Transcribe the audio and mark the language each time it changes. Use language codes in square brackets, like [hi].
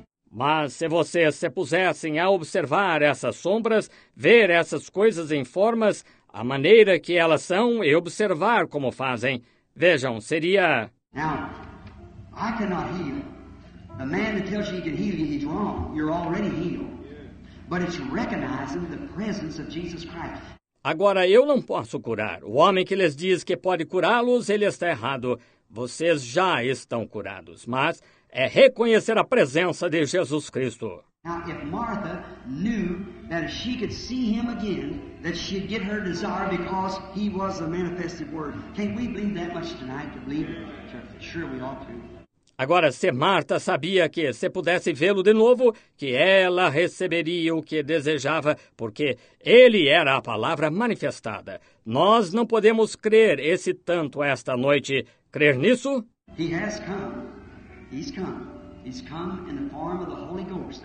[pt] Mas se vocês se pusessem a observar essas sombras, ver essas coisas em formas, a maneira que elas são e observar como fazem, vejam, seria... [en] Now, I cannot heal. The man that tells you he can heal you, he's wrong. You're already healed. But it's recognizing the presence of Jesus Christ. [pt] Agora, eu não posso curar. O homem que lhes diz que pode curá-los, ele está errado. Vocês já estão curados. Mas é reconhecer a presença de Jesus Cristo. [en] Now, if Martha knew that if she could see him again, that she'd get her desire because he was the manifested word. Can't we believe that much tonight to believe it? Sure, we ought to. [pt] Agora, se Marta sabia que, se pudesse vê-lo de novo, que ela receberia o que desejava, porque ele era a palavra manifestada. Nós não podemos crer esse tanto esta noite. Crer nisso? [en] He has come. He's come. He's come in the form of the Holy Ghost.